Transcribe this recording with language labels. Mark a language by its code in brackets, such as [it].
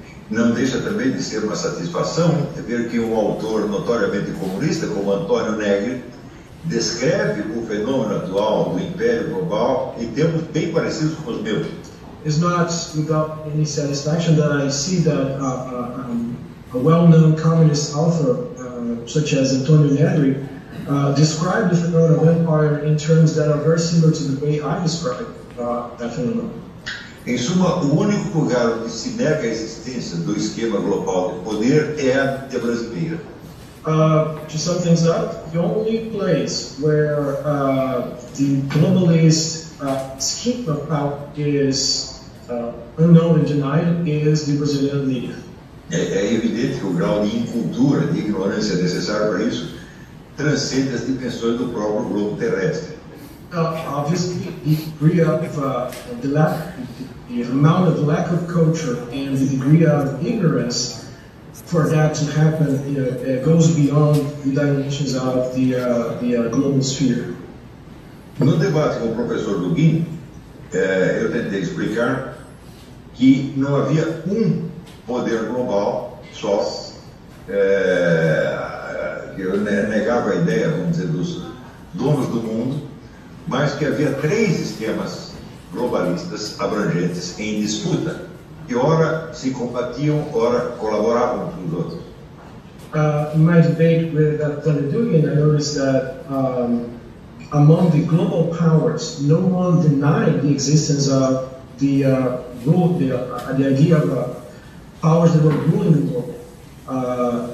[pt] Não deixa também de ser uma satisfação ver que um autor notoriamente comunista como Antônio Negri descreve o fenômeno atual do Império Global em termos bem parecidos com os meus. [en] It's not without any satisfaction that I see that a well-known communist author, such as Antônio Negri, described the phenomenon of empire in terms that are very similar to the way I describe that phenomenon. [pt] Em suma, o único lugar onde se nega a existência do esquema global de poder é a de brasileira. [en] To sum things up, the only place where the globalist scheme of power is unknown and denied is the Brazilian media. [pt] É evidente que o grau de incultura, de ignorância necessário para isso, transcende as dimensões do próprio globo terrestre. [en] Obviously, the degree of the amount of lack of culture and the degree of ignorance for that to happen, you know, goes beyond the dimensions of the global sphere. [pt] No debate com o professor Dugin, eu tentei explicar que não havia um poder global só que eu negava a ideia, vamos dizer, dos donos do mundo, mas que havia três esquemas globalistas abrangentes em disputa, que ora se combatiam, ora colaboravam uns com os outros. [en] In my debate with Antonio Dugin, I noticed that among the global powers, no one denied the existence of the idea of powers that were ruling the world.